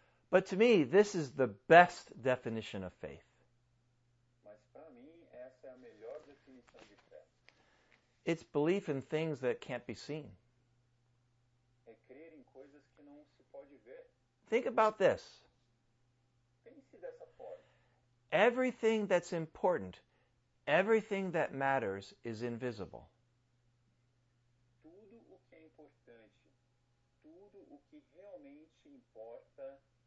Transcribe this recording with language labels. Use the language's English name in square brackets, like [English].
[English] But to me, this is the best definition of faith. [Portuguese] Mas pra mim, essa é a melhor definição de fé. [English] It's belief in things that can't be seen. [Portuguese] É crer em coisas que não se pode ver. [English] Think about this. [Portuguese] Pense dessa forma. [English] Everything that's important, everything that matters, is invisible. [Portuguese] Tudo o que é importante, tudo o que realmente importa,